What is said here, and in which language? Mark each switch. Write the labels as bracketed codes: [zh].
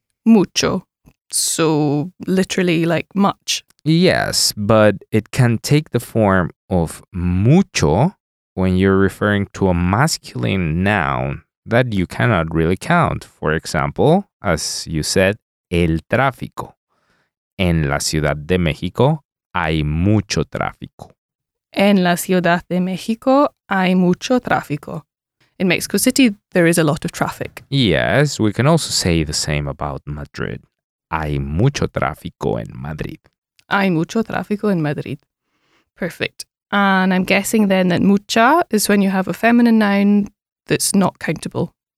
[en] Mucho. So literally like much. Yes, but it can take the form of mucho when you're referring to a masculine noun that you cannot really count. For example, as you said, el tráfico. [es] En la Ciudad de México hay mucho tráfico. En la Ciudad de México hay mucho tráfico. [en] In Mexico City, there is a lot of traffic. Yes, we can also say the same about Madrid. [es] Hay mucho tráfico en Madrid. Hay mucho tráfico en Madrid. Perfect. [en] And I'm guessing then that mucha is when you have a feminine noun that's not countable.